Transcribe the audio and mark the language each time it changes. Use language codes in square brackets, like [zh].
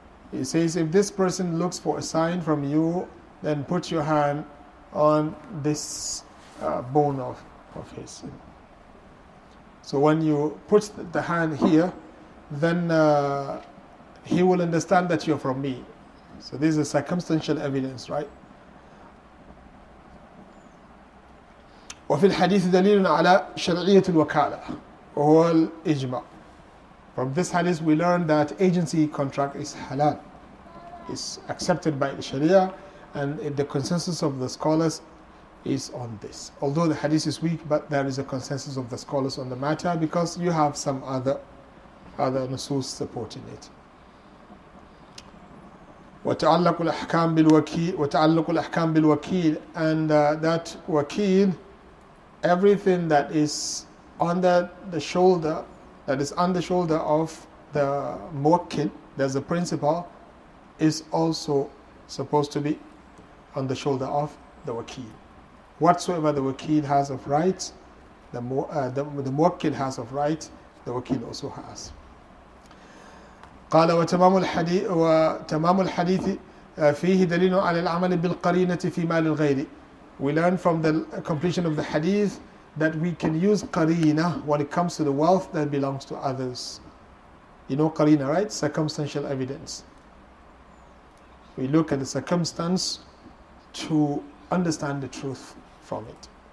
[en] He says, if this person looks for a sign from you, then put your hand on this bone of his. So when you put the hand here, then he will understand that you're from me. So this is circumstantial evidence, right? [ar] وفي الحديث دليل على شرعية الوكالة وهو الإجماع. [en] From this hadith we learn that agency contract is halal, is accepted by the Sharia, and the consensus of the scholars is on this. Although the hadith is weak, but there is a consensus of the scholars on the matter because you have some other nusus supporting it. [ar] وتعلق الأحكام بالوكيل وتعلق الأحكام بالوكيل [en] and that وكيل, everything that is under the shoulder, that is on the shoulder of the muwakkil, there's a principal, is also supposed to be on the shoulder of the wakil. Whatsoever the wakil has of right, the muwakkil has of right, the wakil also has. [ar] قال وتمام الحديث فيه دليل على العمل بالقرينة في مال الغير. [en] We learn from the completion of the hadith that we can use qareena when it comes to the wealth that belongs to others. You know qareena, right? Circumstantial evidence. We look at the circumstance to understand the truth from it.